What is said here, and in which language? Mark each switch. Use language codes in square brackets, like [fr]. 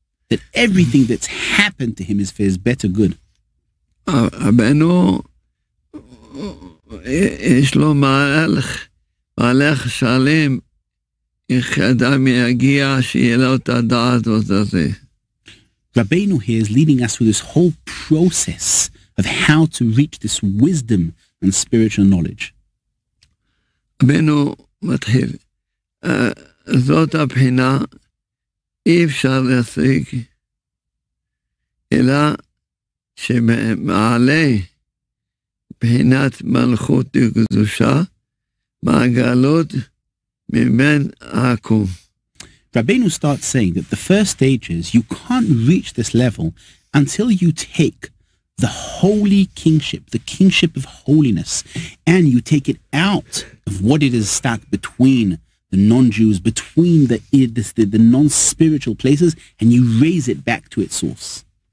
[en] That everything that's happened to him is for his better good. [he] רבנו יש לו מהלך, מהלך שלם, איך אדם יגיע שיהיה לו את הדעת הזה. [en] Rabbeinu here is leading us through this whole process of how to reach this wisdom and spiritual knowledge. [he] Rabbeinu מתחיל, זאת הבחינה אי אפשר להשיג, אלא שמעלה בחינת מלכות וקדושה, מהגלות ממן עקום. [en] Rabbeinu starts saying that the first stage is you can't reach this level until you take the holy kingship, the kingship of holiness, and you take it out of what it is stuck between the non-Jews, between the non-spiritual places, and you raise it back to its source.